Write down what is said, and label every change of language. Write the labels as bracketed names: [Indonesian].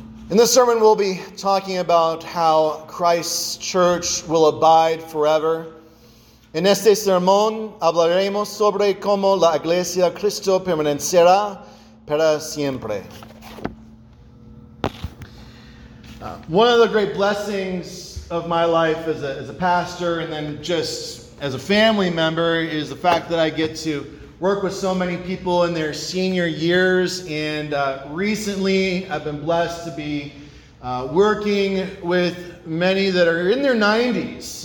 [English] In this sermon, we'll be talking about how Christ's church will abide forever. [Spanish] En este sermón, hablaremos sobre cómo la iglesia de Cristo permanecerá para siempre. [English] One of the great blessings of my life as a pastor and then just as a family member is the fact that I get to work with so many people in their senior years, and recently I've been blessed to be working with many that are in their 90s.